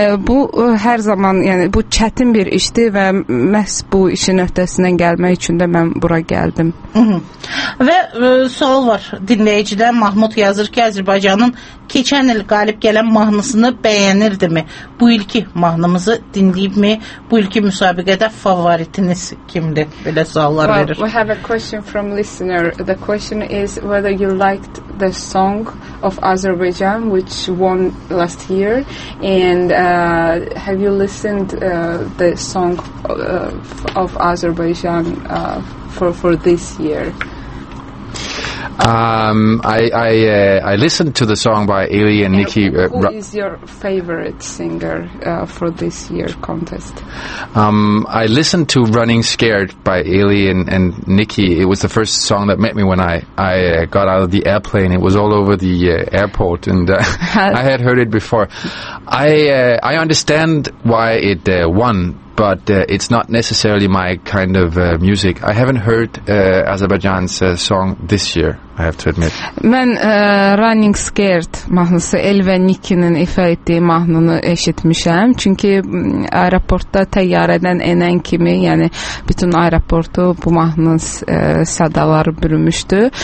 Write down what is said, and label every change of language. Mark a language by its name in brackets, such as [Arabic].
[Azerbaijani] Bu hər zaman, yəni bu çətin bir işdir və məhz bu işin öhdəsindən gəlmək üçün də mən bura gəldim. Və sual var dinləyicidən. Mahmud yazır ki, Azərbaycanın keçən il qalib gələn mahnısını bəyənirdimi? Bu ilki mahnımızı dinləyibmi? Bu ilki müsabiqədə favoritiniz kimdir? Belə suallar [English] well, [Azerbaijani] verir. [English] We have a question from listener. The question is whether you liked the song of Azerbaijan which won last year and have you listened the song of Azerbaijan for this year? I listened to the song by Ely and Nikki. Who is your favorite singer for this year's contest? I listened to Running Scared by Ely and Nikki. It was the first song that met me when I got out of the airplane. It was all over the airport, and I had heard it before. I understand why it won. But it's not necessarily my kind of music. I haven't heard Azerbaijan's song this year, I have to admit. [Azerbaijani] Mən Running Scared mahnısı, El və Nikinin ifa etdiyi mahnını eşitmişəm. Çünki aeroportda təyyarədən enən kimi, yəni bütün aeroportu bu mahnının sədaları bürümüşdü.